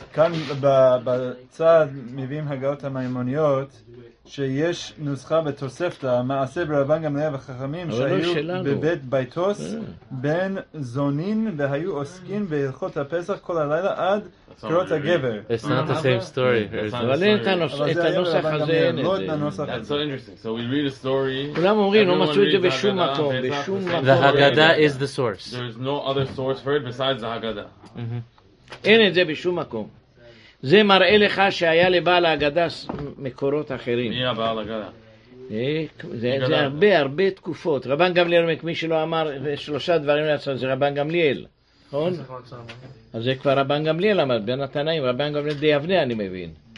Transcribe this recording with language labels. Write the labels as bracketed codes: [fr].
[he] כאן בצד מביאים הגאות המימוניות שיש נוסחה בתוספתא מעשה ברבן גמליאל וחכמים שהיו בבית ביתוס בין זונין והיו עוסקים בהלכות הפסח כל הלילה עד קרות הגבר. [en] It's not the same story. [he] אבל אין את הנוסח הזה. [en] That's so interesting. So we read a story. [he] כולם אומרים, לא מצאו את זה בשום מקום, בשום מקום. [en] The Haggadah is the source. There is no other source for it besides the Haggadah. [he] אין את זה בשום מקום. זה מראה לך שהיה לבעל ההגדה מקורות אחרים. מי הבעל ההגדה? זה הרבה, הרבה תקופות. רבן גמליאל, מי שלא אמר שלושה דברים לעצמם, זה רבן גמליאל. נכון? אז זה כבר רבן גמליאל אמר, בין התנאים, רבן גמליאל די אבנה, אני מבין.